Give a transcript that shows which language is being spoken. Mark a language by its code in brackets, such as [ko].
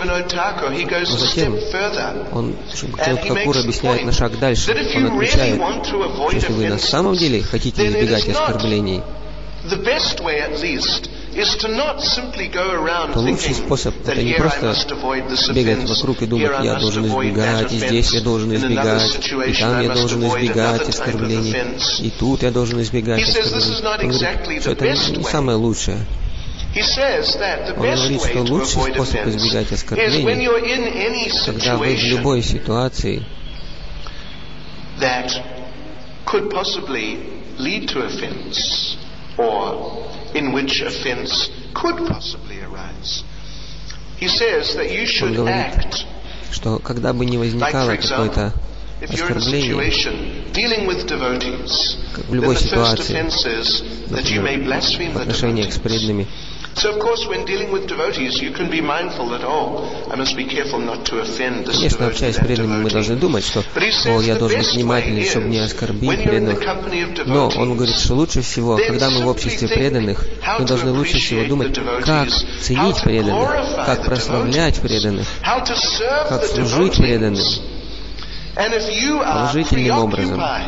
[ru] Но затем он, Шрилабхактивинода объясняет на шаг дальше, он отвечает, что если вы на самом деле хотите избегать оскорблений, [en] the best way, at least, is to not simply go around thinking that here I must avoid this offense, here I must avoid that offense, in another situation I must avoid another type of offense. He says this is not exactly the best way. He says that the best way to avoid offense is when you're in any situation that could possibly lead to offense, or in which offense could possibly arise. He says that you should act. [ru] Что когда бы не возникало какое-то оскорбление, [en] dealing with devotees, [ru] в любой ситуации, в отношениях с преданными. [en] So of course, when dealing with devotees, you can be mindful that, I must be careful not to offend this devotee. [ru] Конечно, общаясь с преданными, мы должны думать, что, я должен быть внимательным, чтобы не оскорбить преданных. Но он говорит, что лучше всего, когда мы в обществе преданных, мы должны лучше всего думать, как ценить преданных, как прославлять преданных, как служить преданным, положительным образом.